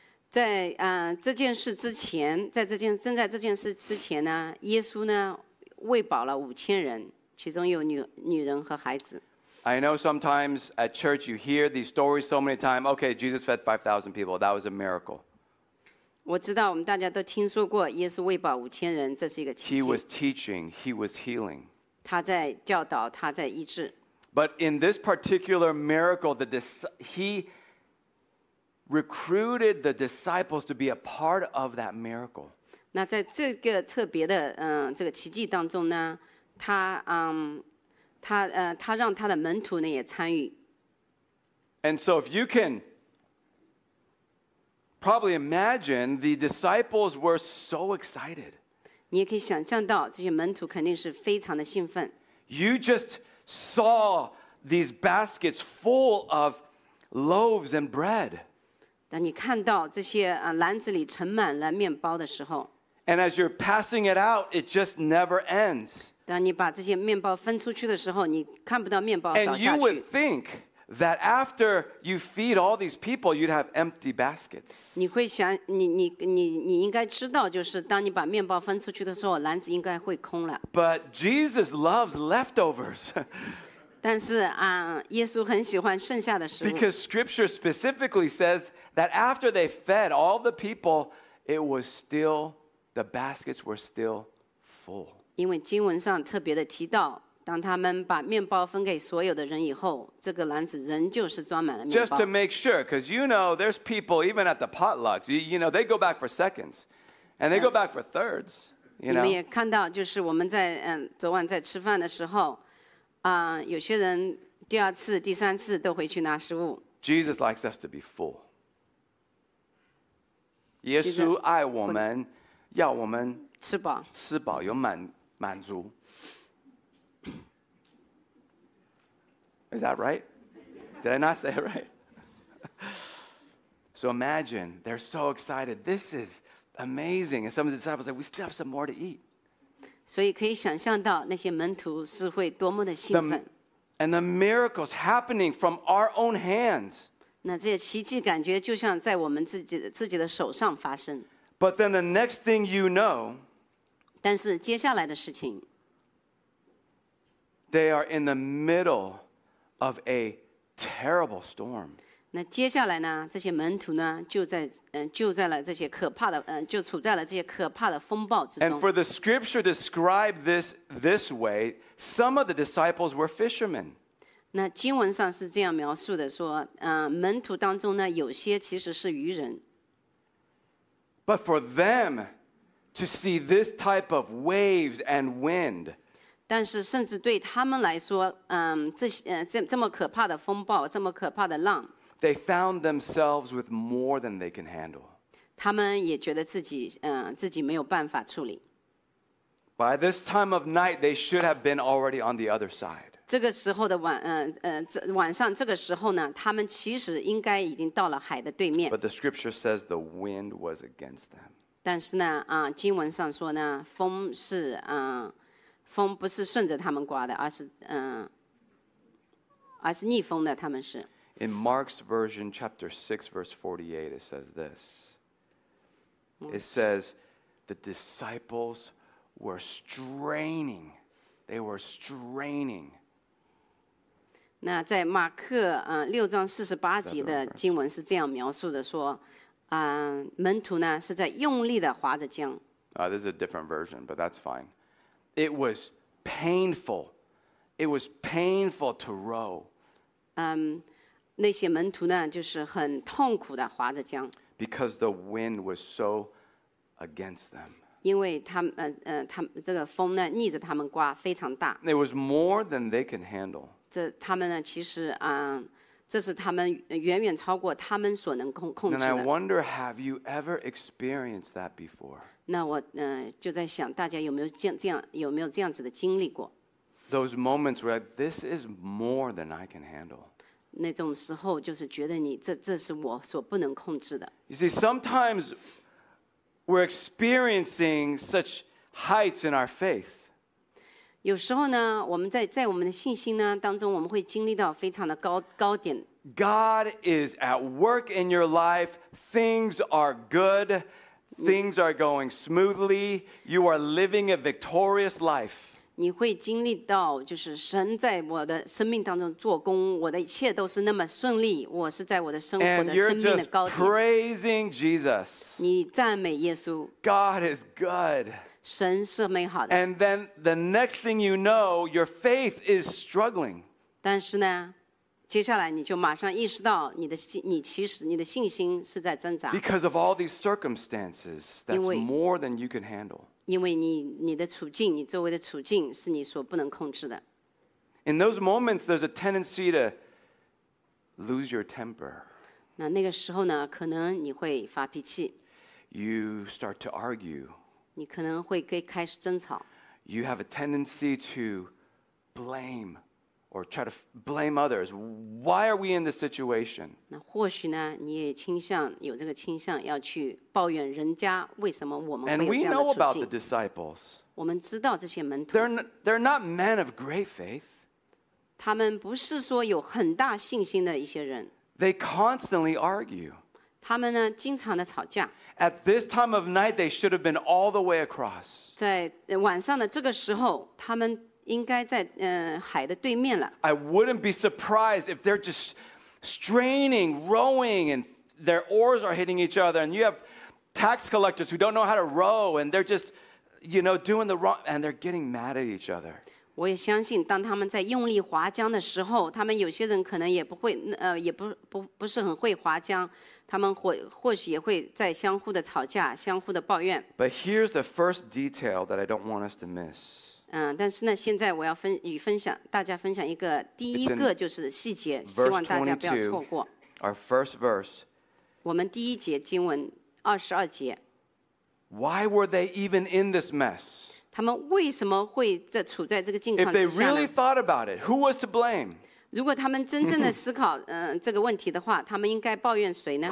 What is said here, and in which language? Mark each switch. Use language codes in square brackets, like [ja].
[zh] 在这件事之前，正在这件事之前呢，耶稣呢，喂饱了5,000人，其中有女人和孩子。 [en] I know sometimes at church you hear these stories so many times. Okay, Jesus fed 5,000 people. That was a miracle. [zh] 我知道我们大家都听说过耶稣喂饱5,000人，这是一个奇迹。 [en] He was teaching, he was healing. [zh] 他在教导，他在医治。 [en] But in this particular miracle, he recruited the disciples to be a part of that miracle. [zh] 那在这个特别的这个奇迹当中呢，他让他的门徒呢也参与。 [en] And so if you can. Probably imagine the disciples were so excited. [zh] 你也可以想象到这些门徒肯定是非常的兴奋。 [en] You just saw these baskets full of loaves and bread. [zh] 当你看到这些篮子里盛满了面包的时候。 [en] And as you're passing it out, it just never ends. [zh] 当你把这些面包分出去的时候，你看不到面包少下去。 [en] And you would think. That after you feed all these people, you'd have empty baskets. [zh] 你会想，你应该知道，就是当你把面包分出去的时候，篮子应该会空了。 [en] But Jesus loves leftovers. [zh] 但是耶稣很喜欢剩下的食物。 [en] Because Scripture specifically says that after they fed all the people, the baskets were still full. [zh] 因为经文上特别的提到。当他们把面包分给所有的人以后，这个篮子仍旧是装满了面包。 [en] Just to make sure, because you know, there's people even at the potlucks. You know, they go back for seconds, and they go back for thirds. You know. [zh] 你们也看到，就是我们在昨晚在吃饭的时候，有些人第二次、第三次都回去拿食物。 [en] Jesus likes us to be full. [zh] 耶稣爱我们，要我们吃饱，有满足。 [en] Is that right? Did I not say it right? So imagine, they're so excited. This is amazing. And some of the disciples said, we still have some more to eat. [zh] 所以可以想象到那些门徒是会多么的兴奋。 [en] And the miracles happening from our own hands. [zh] 那这些奇迹感觉就像在我们自己的手上发生。 [en] But then the next thing you know, [zh] 但是接下来的事情, [en] they are in the middle of a terrible storm. [zh] 那接下来呢,这些门徒呢,就处在了这些可怕的风暴之中。 [en] And for the scripture to describe this way, some of the disciples were fishermen. [zh] 那经文上是这样描述的,说,门徒当中呢,有些其实是渔人。 [en] But for them to see this type of waves and wind, [zh] 但是甚至对他们来说，这么可怕的风暴，这么可怕的浪， [en] they found themselves with more than they can handle. [zh] 他们也觉得自己没有办法处理。 [en] By this time of night, they should have been already on the other side. [zh] 这个时候的晚上这个时候呢，他们其实应该已经到了海的对面。 [en] But the scripture says the wind was against them. [zh] 但是呢，经文上说呢，风是风不是顺着他们刮的，而是逆风的。他们是。 [en] In Mark's version, chapter 6, verse 48, it says this. It says, the disciples were straining. They were straining. [zh] 那在马克六章四十八节的经文是这样描述的，说，门徒呢是在用力的划着桨。 [en] This is a different version, but that's fine. It was painful. It was painful to row. [zh] 那些门徒呢，就是很痛苦的划着桨。 [en] Because the wind was so against them. [zh] 因为他们这个风呢，逆着他们刮，非常大。 [en] It was more than they can handle. [zh] 这他们呢，其实这是他们远远超过他们所能控制的。 [en] And I wonder, have you ever experienced that before? [zh] 那我就在想，大家有没有这样子的经历过？ [en] Those moments where this is more than I can handle. [zh] 那种时候就是觉得你这是我所不能控制的。 [en] You see, sometimes we're experiencing such heights in our faith. [zh] 有时候呢，我们在我们的信心呢当中，我们会经历到非常的高点。 [en] God is at work in your life. Things are good. Things are going smoothly. You are living a victorious life. [zh] 你会经历到，就是神在我的生命当中做工，我的一切都是那么顺利。我是在我的生活的生命的高点。 [en] And you're just praising Jesus. [zh] 你赞美耶稣。 [en] God is good. [zh] 神是美好的。 [en] And then the next thing you know, your faith is struggling. [zh] 但是呢，接下来你就马上意识到你的信心是在挣扎。 [en] Because of all these circumstances, that's more than you can handle. [zh] 因为你的处境，你周围的处境是你所不能控制的。 [en] In those moments, there's a tendency to lose your temper. [zh] 那个时候呢，可能你会发脾气。 [en] You start to argue. [zh] 你可能会开始争吵。 [en] You have a tendency to blame or try to blame others. Why are we in this situation? [zh] 那或许呢，你也倾向有这个倾向要去抱怨人家，为什么我们会有这样的处境。 [en] And we know about the disciples. [zh] 我们知道这些门徒。 [en] They're not men of great faith. [zh] 他们不是说有很大信心的一些人。 [en] They constantly argue. [zh] 他们呢，经常的吵架。 [en] At this time of night, they should have been all the way across. [zh] 在晚上的这个时候，他们应该在海的对面了。 [en] I wouldn't be surprised if they're just straining, rowing, and their oars are hitting each other. And you have tax collectors who don't know how to row, and they're just, you know, doing the wrong, and they're getting mad at each other. [zh] 我也相信，当他们在用力划桨的时候，他们有些人可能也不会，也不是很会划桨，他们或许也会在相互的吵架，相互的抱怨。 [en] But here's the first detail that I don't want us to miss. [zh] 但是呢，现在我要分享大家分享一个第一个就是细节，希望大家不要错过。 [en] Our first verse. [zh] 我们第一节经文二十二节。 [en] Why were they even in this mess? [zh] 他们为什么会在处在这个境况之下呢？ [en] If they really thought about it, who was to blame? [zh] 如果他们真正的思考这个问题的话，他们应该抱怨谁呢？